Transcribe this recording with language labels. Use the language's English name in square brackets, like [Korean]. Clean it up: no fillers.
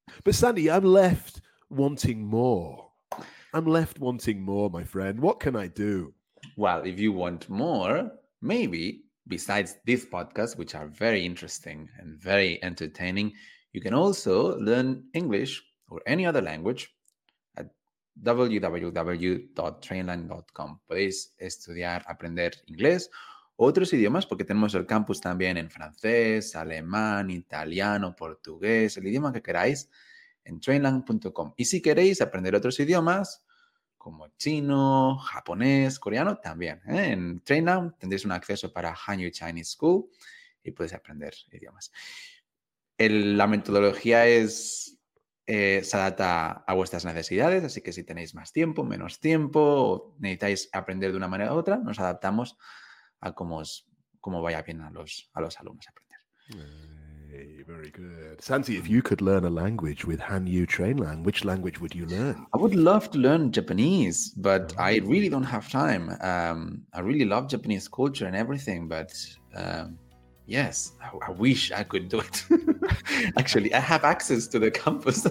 [English] But Santi, I'm left wanting more. I'm left wanting more, my friend. What can I do? Well, if you want more, maybe besides this podcast, which are very interesting and very entertaining, you can also learn English or any other language www.trainline.com. [Spanish] Podéis estudiar, aprender inglés, otros idiomas, porque tenemos el campus también en francés, alemán, italiano, portugués, el idioma que queráis, en trainline.com. Y si queréis aprender otros idiomas, como chino, japonés, coreano, también. En Trainline tendréis un acceso para Hanyu Chinese School y podéis aprender idiomas. La metodología es... se adapta a vuestras necesidades, así que si tenéis más tiempo, menos tiempo, o necesitáis aprender de una manera u otra, nos adaptamos a cómo vaya bien a los alumnos a aprender. [English] Hey, very good. Santi, if you could learn a language with Hanyu Trainline, which language would you learn? I would love to learn Japanese, but I really don't have time. I really love Japanese culture and everything, but... yes, I wish I could do it. Actually, I have access to the campus.